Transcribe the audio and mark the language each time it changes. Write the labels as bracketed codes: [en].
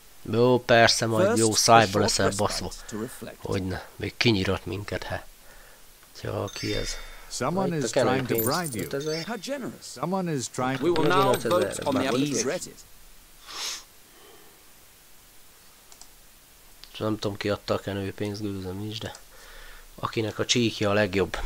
[hu] Jó, persze, majd jó szájba leszel baszva. Hogyne, még kinyírat minket, he. Ja, ki ez? [en] Someone is trying to bribe you. How generous. Someone is trying to... We will now vote on the application. [hu] Nem tudom, ki adta a kenőpénzt, gőzöm is, de... Akinek a csíkja a legjobb.